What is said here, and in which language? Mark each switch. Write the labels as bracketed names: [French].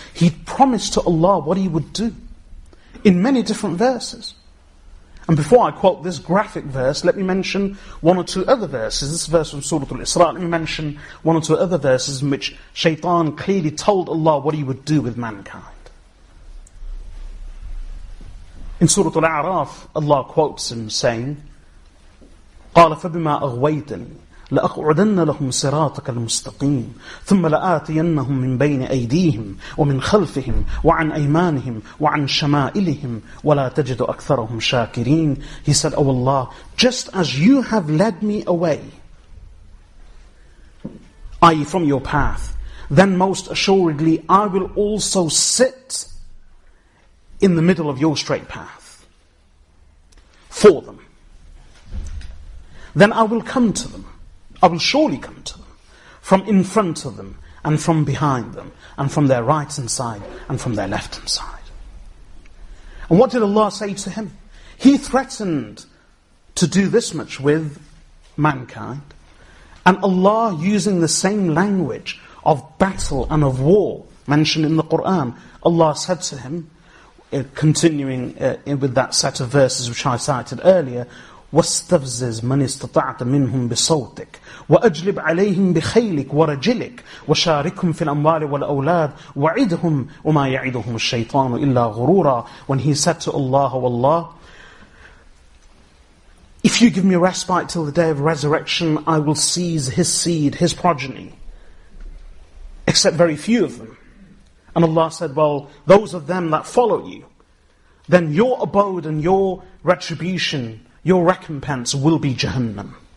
[English] He promised to Allah what he would do in many different verses. And before I quote this graphic verse, let me mention one or two other verses. This verse from Surah Al-Isra, let me mention one or two other verses in which Shaytan clearly told Allah what he would do with mankind. [Arabic] In Surah Al-A'raf, Allah quotes him saying, قَالَ فَبِمَا أَغْوَيْتَنِي لَأَقْعُدَنَّ لَهُمْ صِرَاطَكَ الْمُسْتَقِيمِ ثُمَّ لَآتِيَنَّهُمْ مِنْ بَيْنِ أَيْدِيهِمْ وَمِنْ خَلْفِهِمْ وَعَنْ أَيْمَانِهِمْ وَعَنْ شَمَائِلِهِمْ وَلَا تَجِدُ أَكْثَرَهُمْ شَاكِرِينَ. [English] He said, O Allah, just as you have led me away, i.e. from your path, then most assuredly I will also sit in the middle of your straight path for them. Then I will come to them. I will surely come to them from in front of them and from behind them and from their right hand side and from their left hand side. And what did Allah say to him? He threatened to do this much with mankind. And Allah, using the same language of battle and of war mentioned in the Quran, Allah said to him, continuing with that set of verses which I cited earlier, [Arabic] واستفزز من استطعت منهم بصوتك وأجلب عليهم بخيلك ورجلك وشاركهم في الأموال والأولاد وعدهم وما يعدهم الشيطان إلا غرورا. [English] When he said to Allah, O Allah, if you give me respite till the day of resurrection, I will seize his seed, his progeny, except very few of them. And Allah said, well, those of them that follow you, then your abode and your retribution, your recompense will be Jahannam.